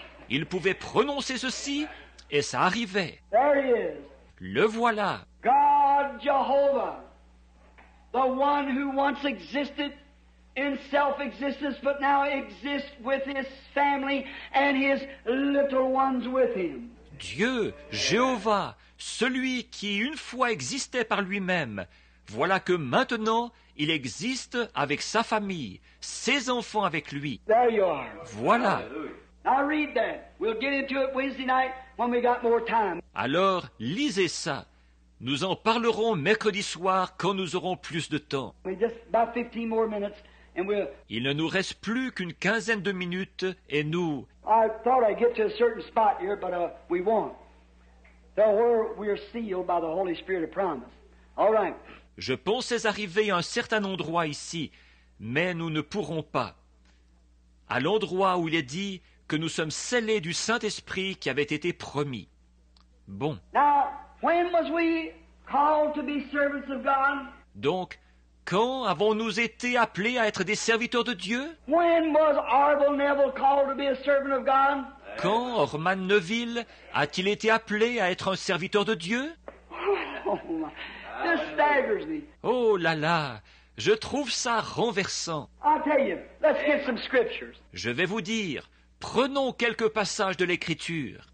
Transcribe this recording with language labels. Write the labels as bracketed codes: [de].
[fr] Il pouvait prononcer ceci et ça arrivait. Le voilà. [en] God Jehovah, the one who once existed in self-existence but now exists with his family and his little ones with him. [fr] Dieu, Jéhovah, celui qui une fois existait par lui-même, voilà que maintenant il existe avec sa famille, ses enfants avec lui. [en] There you are. [fr] Voilà. [en] Now read that. We'll get into it Wednesday night when we got more time. [fr] Alors, lisez ça. Nous en parlerons mercredi soir quand nous aurons plus de temps. [en] Just about 15 more minutes and we'll... [fr] Il ne nous reste plus qu'une quinzaine de minutes et nous... [en] I thought I'd get to a certain spot here, but we won't. So we're sealed by the Holy Spirit of promise. All right. [fr] Je pensais arriver à un certain endroit ici, mais nous ne pourrons pas. À l'endroit où il est dit que nous sommes scellés du Saint-Esprit qui avait été promis. Bon. [en] Now, when was we called to be servants of God? [fr] Donc, quand avons-nous été appelés à être des serviteurs de Dieu? [en] When was Orval Neville called to be a servant of God? [fr] Quand Orman Neville a-t-il été appelé à être un serviteur de Dieu? [en] Oh, this staggers me. [fr] Oh là là, je trouve ça renversant. [en] I'll tell you, let's get some scriptures. [fr] Je vais vous dire, prenons quelques passages de l'Écriture.